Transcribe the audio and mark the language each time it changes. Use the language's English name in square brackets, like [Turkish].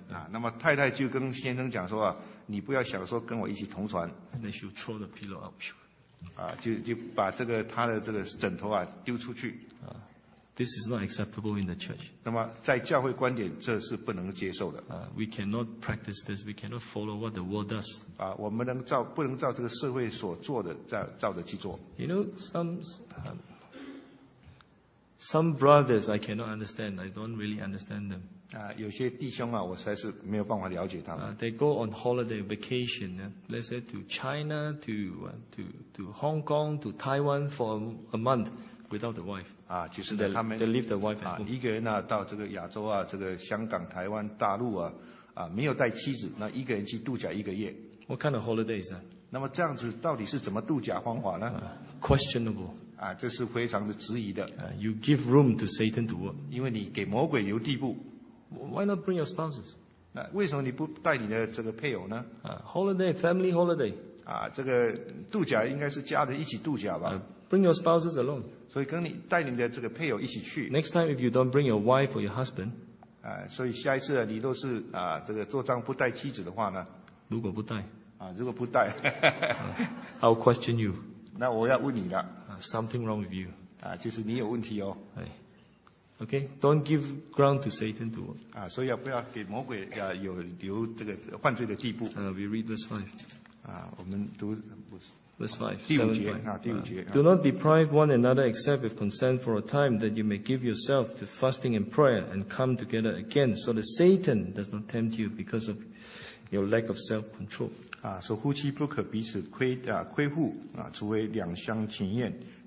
[Chinese] 那么太太就跟先生讲说啊, 你不要想说跟我一起同床。 [English] And then she'll throw the pillow up. [Chinese] 就把这个她的这个枕头啊, 丢出去。 [English] This is not acceptable in the church. [Chinese] 那么在教会观点, 这是不能接受的。 [English] We cannot practice this. We cannot follow what the world does. [Chinese] 我们不能照这个社会所做的, 照着去做。 [English] You know, some brothers I cannot understand. I don't really understand them. [Chinese] 有些弟兄啊, 我实在是没有办法了解他们。 [English] They go on holiday, vacation, let's say to China, to Hong Kong, to Taiwan for a month without the wife. [Chinese] 其实他们, [English] they leave the wife at home. [Chinese] 一个人啊, 到这个亚洲啊, 这个香港, 台湾, 大陆啊, 没有带妻子, 那一个人去度假一个月。 [English] What kind of holiday is that? [Chinese] 那么这样子到底是怎么度假方法呢? [English] Questionable. [Chinese] 这是非常的质疑的。 [English] You give room to Satan to work. [Chinese] 因为你给魔鬼留地步。 [English] Why not bring your spouses? [Chinese] 为什么你不带你的这个配偶呢? [English] Holiday, family holiday. [Chinese] 这个度假应该是家人一起度假吧。 [English] Bring your spouses alone. [Chinese] 所以跟你带领的这个配偶一起去。 [English] Next time if you don't bring your wife or your husband. [Chinese] 所以下一次你都是这个做丈夫带妻子的话呢。如果不带。如果不带。 [English] I'll question you. [Chinese] 那我要问你了。 [English] Something wrong with you. [Chinese] 就是你有问题哦。 [English] Okay, don't give ground to Satan to work. [Chinese] 所以不要给魔鬼有留这个犯罪的地步。 [English] We read verse 5. [Chinese] 我们读第五节。 [English] Do not deprive one another except with consent for a time that you may give yourself to fasting and prayer and come together again so that Satan does not tempt you because of your lack of self-control. [Chinese] 所以夫妻不可彼此亏负，除非两厢情愿。